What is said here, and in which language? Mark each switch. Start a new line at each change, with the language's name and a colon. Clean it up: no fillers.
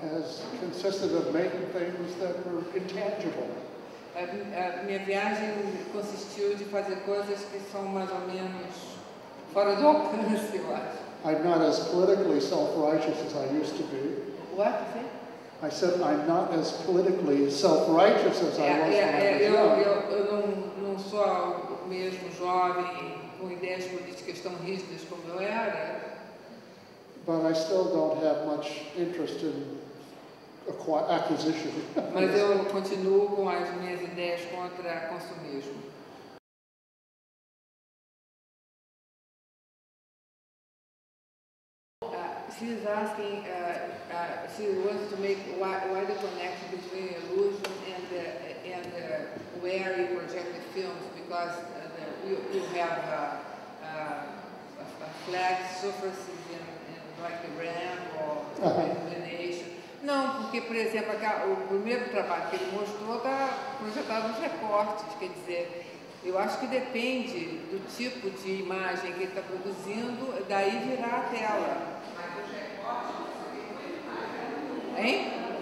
English: has consisted of making things that were intangible.
Portuguese: Minha viagem consistiu de fazer coisas que são mais ou menos fora do alcance, eu acho.
English: I'm not as politically self-righteous as I used to be. What? See? I said I'm not as politically self-righteous as I was
Portuguese: Não sou o mesmo jovem com ideias políticas tão rígidas como eu era.
English: But I still don't have much interest in acquisition.
Portuguese: Mas eu continuo com as minhas ideias contra consumismo.
English: She's asking, she wants to make why the connection between illusion and where you project the films, because you have a flat surface in like a ramp or illumination.
Portuguese: Não, porque, por exemplo, o primeiro trabalho que ele mostrou está projetado nos recortes, quer dizer, eu acho que depende do tipo de imagem que ele está produzindo, daí virá a tela. Hein?